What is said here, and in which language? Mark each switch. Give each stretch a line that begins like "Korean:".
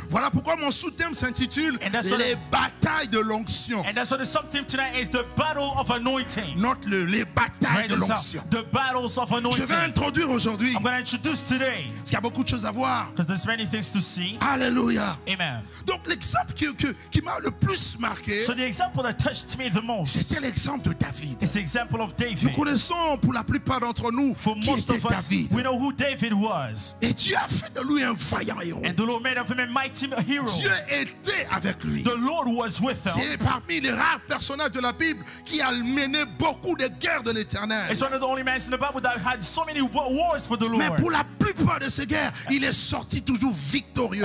French: Voilà pourquoi mon sous-thème s'intitule les batailles de l'onction.
English: And that's what the subtheme tonight is, the battle of anointing.
French: Note le, les batailles de l'onction.
English: The battles of anointing.
French: Je vais introduire aujourd'hui.
English: I'm going to introduce today.
French: Parce qu'il y a beaucoup de choses à voir.
English: Because there's many things to see. Alléluia. Amen.
French: Donc l'exemple qui m'a le plus marqué.
English: So the example that touched me the most.
French: C'était l'exemple de David.
English: It's the example of David.
French: Nous connaissons pour la plupart d'entre nous qui était David.
English: We know who David was.
French: Et Dieu a fait de lui un vaillant héros.
English: And the Lord made of him a mighty hero.
French: Dieu était avec lui.
English: The Lord was with him.
French: C'est parmi les rares personnages de la Bible qui a mené beaucoup de guerres de l'Éternel.
English: It's one of the only men in the Bible that had so many wars for the Lord.
French: Mais pour la plupart de ces guerres, il est sorti toujours victorieux.